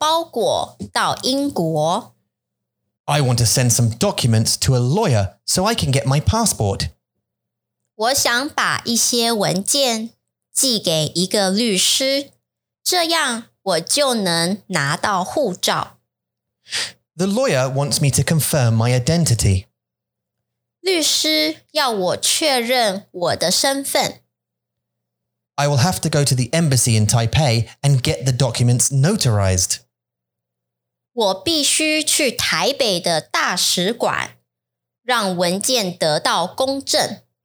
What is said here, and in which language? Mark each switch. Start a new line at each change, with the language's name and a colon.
Chinese: 我想寄一个包裹到英国.
English: I want to send some documents to a lawyer so I can get my passport.
Chinese: 我想把一些文件寄给一个律师, 这样我就能拿到护照.
English: The lawyer wants me to confirm my identity.
Chinese: 律师要我确认我的身份.
English: I will have to go to the embassy in Taipei and get the documents notarized.
Chinese: 我必须去台北的大使馆，让文件得到公证.